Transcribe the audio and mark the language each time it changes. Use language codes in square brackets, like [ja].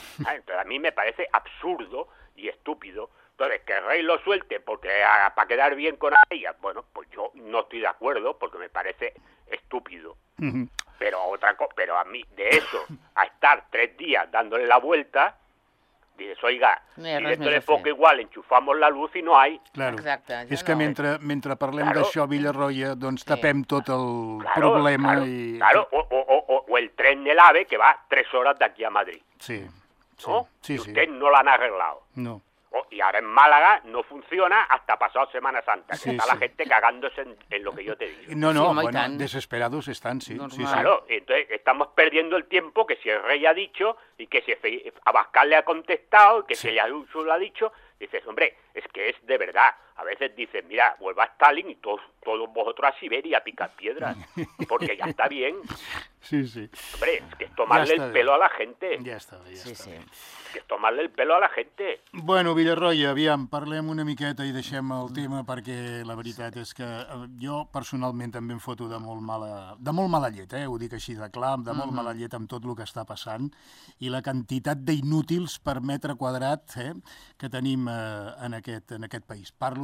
[es] Entonces, a mí me parece absurdo y estúpido. Entonces, que el rey lo suelte porque para quedar bien con ella, bueno, pues yo no estoy de acuerdo porque me parece estúpido. Pero otra cosa, pero a mí, de eso, a estar 3 días dándole la vuelta, dices, oiga, si esto le poco igual, enchufamos la luz y no hay. Claro. [ca] Exacte, és que no, mentre parlem d'això, Villarroya, doncs tapem tot el problema. [es] Claro, i... claro. [ca] O el tren de l'AVE que va 3 hores d'aquí a Madrid. [es] Sí. ¿No? Sí, sí. Usted no l'han arreglado. No. Y ahora en Málaga no funciona hasta pasado Semana Santa, que sí, está sí. La gente cagándose en lo que yo te digo. No, no, sí, bueno, desesperados están, sí, sí, sí. Claro, entonces estamos perdiendo el tiempo que si el rey ha dicho y que si Abascal le ha contestado y que si Ayuso lo ha dicho, dices, hombre, es que es de verdad. A veces dices, mira, vuelva Stalin y todos vosotros a Siberia a picar piedras, porque ya está bien. Sí, sí. Hombre, es que es tomarle el pelo a la gente. Ya está, ya está. Sí, sí. Que es tomarle el pelo a la gente. [ca] Bueno, Villarroya, aviam, parlem una miqueta i deixem el tema, perquè la veritat és que jo personalment també em foto de molt mala llet, ho dic així de clar, de molt mala llet amb tot el que està passant, i la quantitat d'inútils per metre quadrat que tenim en aquest país.